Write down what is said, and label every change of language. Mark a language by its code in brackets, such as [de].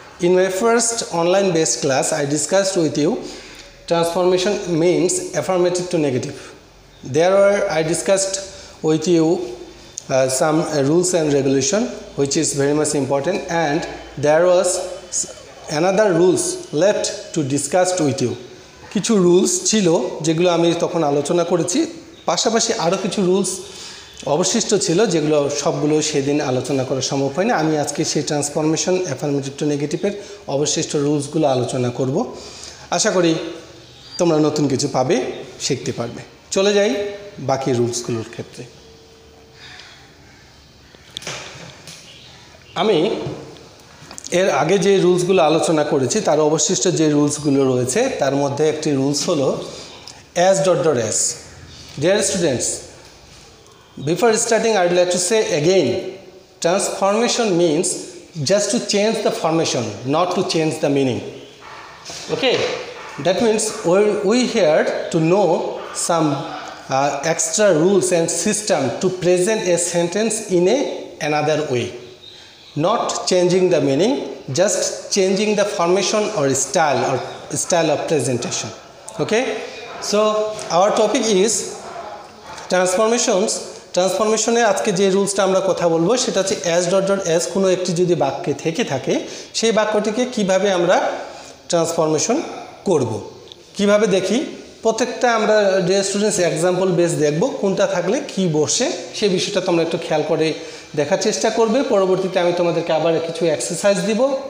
[en] In my first online-based class, I discussed with you transformation means affirmative to negative. There I discussed with you some rules and regulation, which is very much important, and there was another rules left to discuss with you. [bn] Kichu rules chilo jeigulo ami tokhon alochona korechi pashapashi aro kichu rules অবশিষ্ট ছিল যেগুলো সবগুলো সেদিন আলোচনা করা সম্ভব হয়নি আমি আজকে সেই ট্রান্সফরমেশন অ্যাফার্মেটিভ টু নেগেটিভের অবশিষ্ট রুলসগুলো আলোচনা করব আশা করি তোমরা নতুন কিছু পাবে শিখতে পারবে চলে যাই বাকি রুলসগুলোর ক্ষেত্রে আমি এর আগে যে রুলসগুলো আলোচনা করেছি তার অবশিষ্ট যে রুলসগুলো রয়েছে তার মধ্যে একটি রুলস হলো as dot dot as dear students [en] Before starting, I'd like to say again, transformation means just to change the formation, not to change the meaning. Okay, that means we here to know some extra rules and system to present a sentence in another way. Not changing the meaning, just changing the formation or style of presentation. Okay, so our topic is transformations. [bn] ট্রান্সফরমেশনে আজকে যে রুলসটা আমরা কথা বলবো সেটা হচ্ছে as dot dot as কোনো একটি যদি বাক্যে থেকে থাকে সেই বাক্যটিকে কিভাবে আমরা ট্রান্সফরমেশন করব কিভাবে দেখি প্রত্যেকটা আমরা যে স্টুডেন্টস এক্সাম্পল বেস দেখব কোনটা থাকলে কি বসে সেই বিষয়টা তোমরা একটু খেয়াল করে দেখার চেষ্টা করবে পরবর্তীতে আমি তোমাদেরকে আবার কিছু এক্সারসাইজ দিব